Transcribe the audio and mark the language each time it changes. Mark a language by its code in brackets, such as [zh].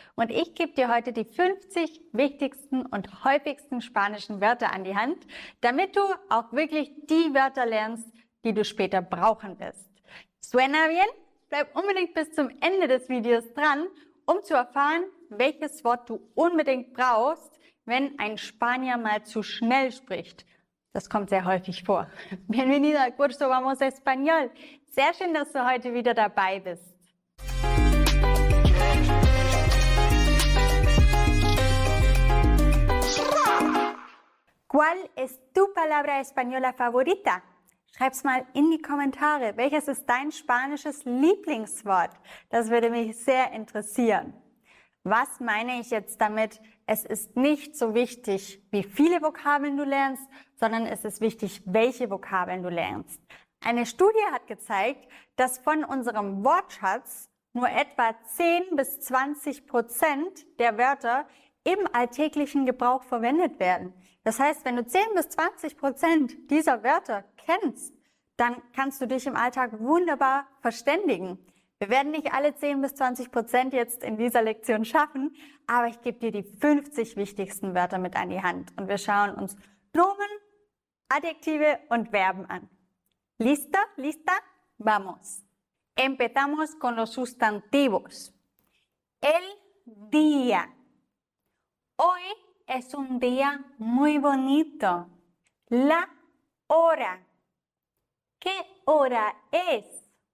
[de] Und ich gebe dir heute die 50 wichtigsten und häufigsten spanischen Wörter an die Hand, damit du auch wirklich die Wörter lernst, die du später brauchen wirst. [es] ¿Suena bien? [de] Bleib unbedingt bis zum Ende des Videos dran, um zu erfahren, welches Wort du unbedingt brauchst, wenn ein Spanier mal zu schnell spricht. Das kommt sehr häufig vor. [es] Bienvenido al curso Vamos Español. [de] Sehr schön, dass du heute wieder dabei bist. [es] ¿Cuál es tu palabra española favorita? [de] Schreib's mal in die Kommentare. Welches ist dein spanisches Lieblingswort? Das würde mich sehr interessieren. Was meine ich jetzt damit? Es ist nicht so wichtig, wie viele Vokabeln du lernst, sondern es ist wichtig, welche Vokabeln du lernst. Eine Studie hat gezeigt, dass von unserem Wortschatz nur etwa 10-20% der Wörter im alltäglichen Gebrauch verwendet werden. Das heißt, wenn du 10-20% dieser Wörter kennst, dann kannst du dich im Alltag wunderbar verständigen. Wir werden nicht alle 10-20% jetzt in dieser Lektion schaffen, aber ich gebe dir die 50 wichtigsten Wörter mit an die Hand und wir schauen uns Nomen, Adjektive und Verben an. [es] ¿Listo? ¿Lista? Vamos. Empezamos con los sustantivos. El día. Hoy es un día muy bonito. La hora. ¿Qué hora es?